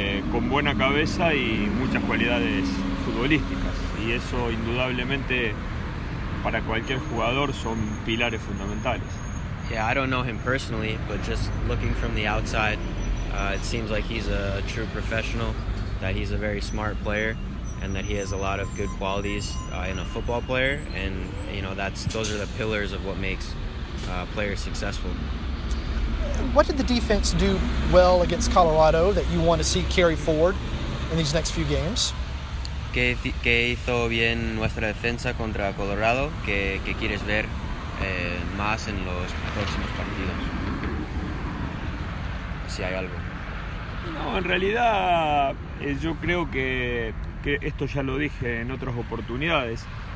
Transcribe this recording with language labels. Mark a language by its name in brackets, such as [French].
[Spanish] con buena cabeza y muchas cualidades futbolísticas. Y eso indudablemente para cualquier jugador son pilares fundamentales. [English] Yeah, I don't know him personally, but just looking from the outside, it seems like he's a true professional, that he's a very smart player, and that he has a lot of good qualities in a football player. And, you know, those are the pillars of what makes players successful. What did the defense do well against Colorado that you want to see carry forward in these next few games? [Spanish] ¿Qué hizo bien nuestra defensa contra Colorado que quieres ver más en los próximos partidos? Si hay algo. No, en realidad yo creo que esto ya lo dije en otras oportunidades.